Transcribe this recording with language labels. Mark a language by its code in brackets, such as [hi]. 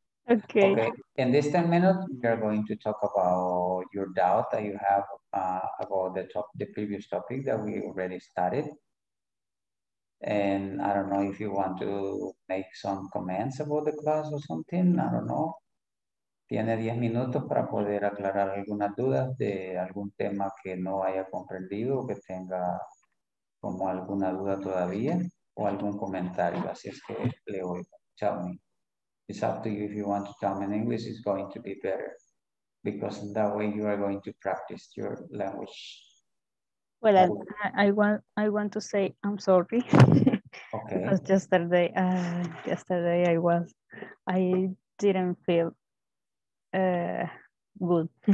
[en] Okay. Okay. In this 10 minutes, we are going to talk about your doubt that you have about the previous topic that we already studied. And I don't know if you want to make some comments about the class or something. I don't know. [es] Tiene 10 minutos para poder aclarar algunas dudas de algún tema que no haya comprendido, que tenga como alguna duda todavía o algún comentario. Así es que le voy. [en] Tell me. It's up to you if you want to tell me in English. It's going to be better because in that way you are going to practice your language. Well, I want to say I'm sorry. Okay. Because yesterday I didn't feel good.